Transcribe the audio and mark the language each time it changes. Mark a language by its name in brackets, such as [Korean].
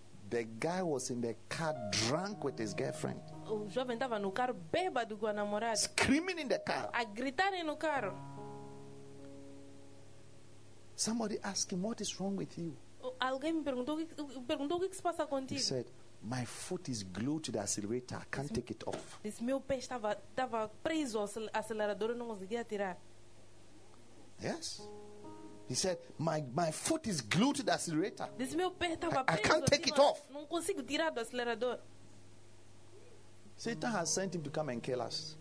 [English] The guy was in the car drunk with his girlfriend. [Portuguese] O jovem estava no carro bêbado com a namorada. [English] Screaming in the car. [Portuguese] A gritar no carro. [English] Somebody asked him, what is wrong with you? [Portuguese] Alguém me perguntou o que se passa contigo. [English] He said, my foot is glued to the accelerator. I can't take it off. [Portuguese] Disse, meu pé estava preso ao acelerador, não conseguia tirar. [English] Yes. He said, my foot is glued to the accelerator. [Portuguese] Disse, meu pé estava preso. [English] I can't take it off. [Portuguese] Não consigo tirar do acelerador. [English] Satan has sent him to come and kill us.